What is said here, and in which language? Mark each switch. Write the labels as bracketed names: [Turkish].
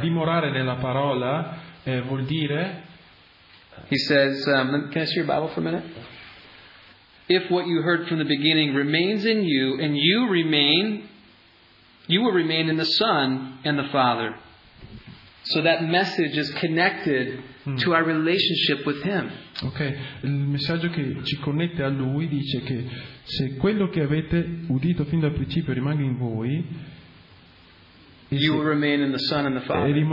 [Italian] Dimorare nella parola vuol dire. [English] He says, can I see your Bible for a minute? If what you heard from the beginning remains in you, and you remain, you will remain in the Son and the Father. So that message is connected to our relationship with Him. [Italian] Okay, il messaggio che ci connette a Lui dice che se quello che avete udito fin dal principio rimane in voi, [English] you will remain in the Son and the Father.